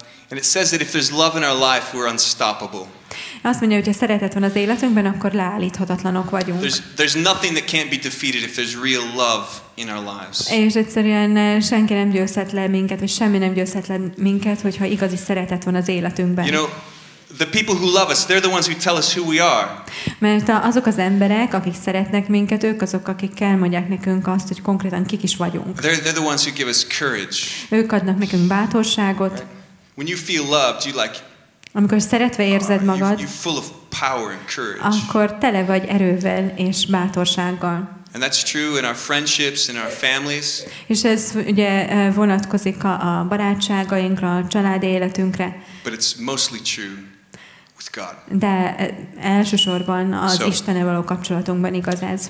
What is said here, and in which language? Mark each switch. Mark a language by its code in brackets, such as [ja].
[en] And it says that if there's love in our life, we're unstoppable. [hu] Azt mondja, hogy ha szeretet van az életünkben, akkor leállíthatatlanok vagyunk. [en] There's nothing that can't be defeated if there's real love in our lives. [hu] És egyszerűen senki nem győzhet le minket, vagy semmi nem győzhet le minket, hogyha igazi szeretet van az életünkben. [en] You know, the people who love us, they're the ones who tell us who we are. [hu] Mert azok az emberek, akik szeretnek minket, ők azok, akik elmondják nekünk azt, hogy konkrétan kik is vagyunk. [en] They're the ones who give us courage. [hu] Ők adnak nekünk bátorságot. [en] When you feel loved, you like. [hu] Amikor szeretve érzed magad, [en] you're full of power and courage. [hu] Akkor tele vagy erővel és bátorsággal. [en] And that's true in our friendships, in our families. [hu] És ez ugye vonatkozik a barátságainkra, a családi életünkre. [en] But it's mostly true with God. [hu] De elsősorban az Istennel való kapcsolatunkban igaz ez.